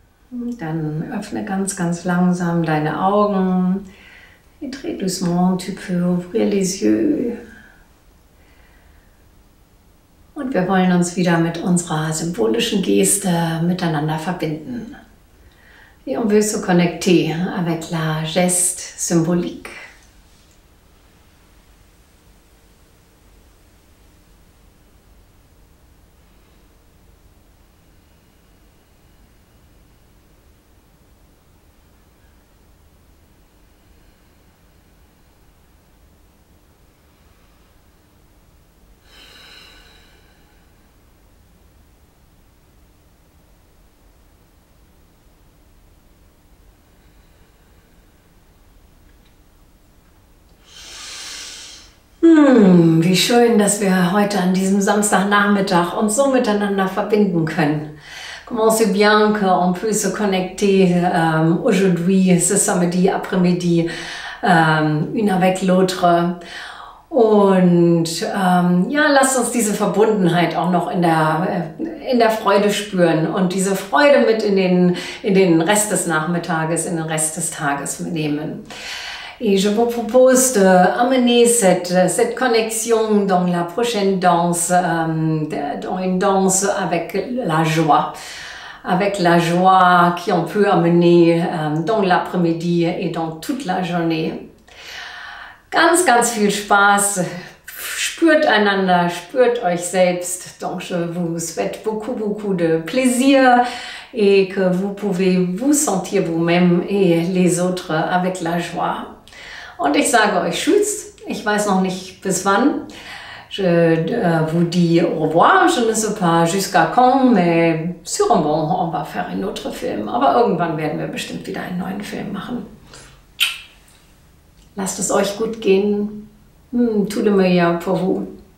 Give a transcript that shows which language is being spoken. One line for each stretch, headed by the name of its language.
German: Dann öffne ganz, ganz langsam deine Augen.
French: Et très doucement, tu peux ouvrir les yeux.
German: Und wir wollen uns wieder mit unserer symbolischen Geste miteinander verbinden.
French: Et on veut se connecter avec la geste symbolique.
German: Wie schön, dass wir heute an diesem Samstagnachmittag uns so miteinander verbinden können.
French: Comment c'est bien qu'on peut se connecter aujourd'hui, ce samedi après-midi, une avec l'autre.
German: Und ja, lasst uns diese Verbundenheit auch noch in der Freude spüren und diese Freude mit in den Rest des Nachmittages, in den Rest des Tages nehmen.
French: Et je vous propose de amener cette connexion dans la prochaine danse, dans une danse avec la joie. Avec la joie qu'on peut amener dans l'après-midi et dans toute la journée.
German: Ganz, ganz viel Spaß. Spürt einander, spürt euch selbst.
French: Donc je vous souhaite beaucoup, beaucoup de plaisir. Et que vous pouvez vous sentir vous-même et les autres avec la joie.
German: Und ich sage euch tschüss, ich weiß noch nicht bis wann.
French: Je vous dis au revoir, je ne sais pas jusqu'à quand, mais sûrement on va faire un autre film.
German: Aber irgendwann werden wir bestimmt wieder einen neuen Film machen. Lasst es euch gut gehen.
French: Tout le meilleur pour vous.